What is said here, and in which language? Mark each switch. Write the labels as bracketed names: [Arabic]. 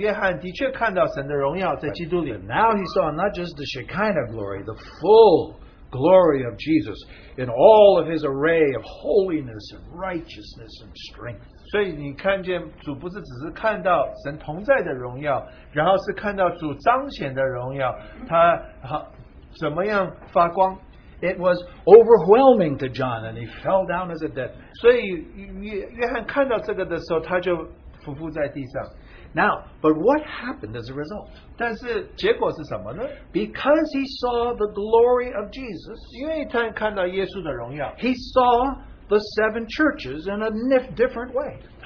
[Chinese] 所以我们知道在福音里,福音书里面,约翰的确看到神的荣耀在基督里。 [English] Right. Now he saw not just the Shekinah glory, the full glory of Jesus in all of his array of holiness and righteousness and strength. [Chinese] 所以你看见主不是只是看到神同在的荣耀,然后是看到主彰显的荣耀,他怎么样发光? [English] It was overwhelming to John, and he fell down as a dead man. [Chinese] 所以约翰看到这个的时候，他就伏伏在地上。 [English] Now, but what happened as a result? [Chinese] 但是结果是什么呢? [English] Because he saw the glory of Jesus, [Chinese] 因为他看到耶稣的荣耀, [English] he saw the seven churches in a different way.